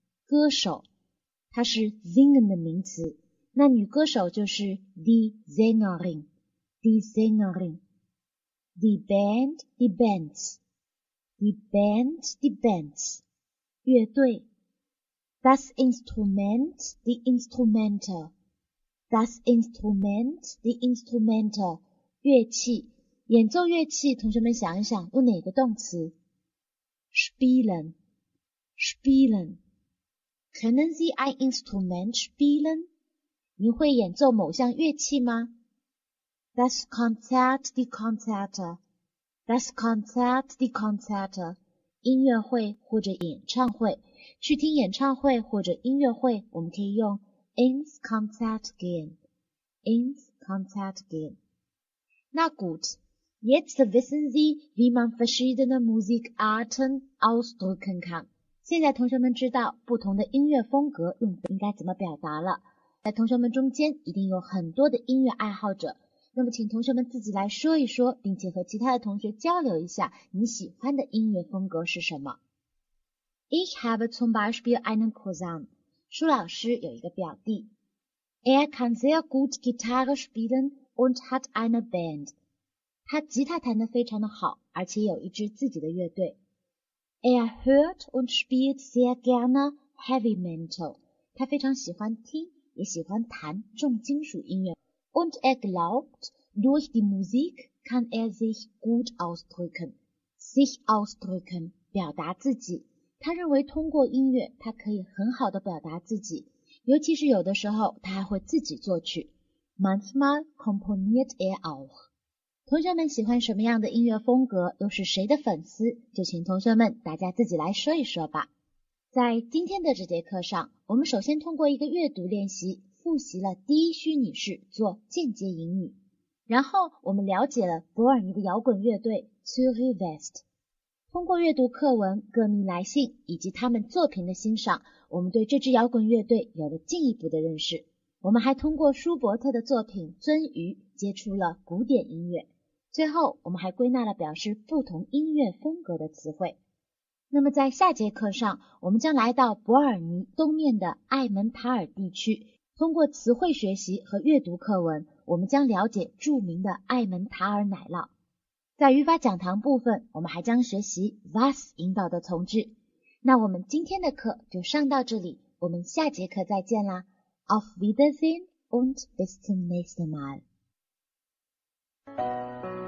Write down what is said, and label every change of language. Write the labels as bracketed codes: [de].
[zh] 歌手，它是 singen 的名词。那女歌手就是 [de] die Sängerin, die Sängerin. Die Band, die Bands. Die Band, die Bands. [zh] 乐队。 [de] Das Instrument, die Instrumente. Das Instrument, die Instrumente. [zh] 乐器。演奏乐器，同学们想一想，用哪个动词 ？ [de] spielen, spielen. Können Sie ein Instrument spielen? [zh] 您会演奏某项乐器吗 ？ [de] Das Konzert, die Konzerte. Das Konzert, die Konzerte. [zh] 音乐会或者演唱会，去听演唱会或者音乐会，我们可以用 [de] ins Konzert gehen. Ins Konzert gehen. Na gut. Jetzt wissen Sie, wie man verschiedene Musikarten ausdrücken kann. [zh] 现在同学们知道不同的音乐风格应该怎么表达了。在同学们中间一定有很多的音乐爱好者。那么请同学们自己来说一说，并且和其他的同学交流一下你喜欢的音乐风格是什么。 [de] Ich habe zum Beispiel einen Cousin. [zh] 舒老师有一个表弟。 [de] Er kann sehr gut Gitarre spielen und hat eine Band. [zh] 他吉他弹得非常的好，而且有一支自己的乐队。 [de] Er hört und spielt sehr gerne heavy metal. [zh] 他非常喜欢听，也喜欢弹重金属音乐。 [de] Und er glaubt, durch die Musik kann er sich gut ausdrücken. Sich ausdrücken, [zh] 表达自己。他认为通过音乐，他可以很好的表达自己。尤其是有的时候，他还会自己作曲。 [de] Manchmal komponiert er auch. [zh] 同学们喜欢什么样的音乐风格，又是谁的粉丝，就请同学们大家自己来说一说吧。在今天的这节课上，我们首先通过一个阅读练习，复习了第一虚拟式做间接引语。然后我们了解了伯尔尼的摇滚乐队 Zürich West。通过阅读课文、歌迷来信以及他们作品的欣赏，我们对这支摇滚乐队有了进一步的认识。我们还通过舒伯特的作品《鳟鱼》接触了古典音乐。最后，我们还归纳了表示不同音乐风格的词汇。那么在下节课上，我们将来到伯尔尼东面的艾门塔尔地区。通过词汇学习和阅读课文，我们将了解著名的艾门塔尔奶酪。在语法讲堂部分，我们还将学习 was 引导的从句。那我们今天的课就上到这里，我们下节课再见啦。 [de] Auf Wiedersehen und bis zum nächsten Mal.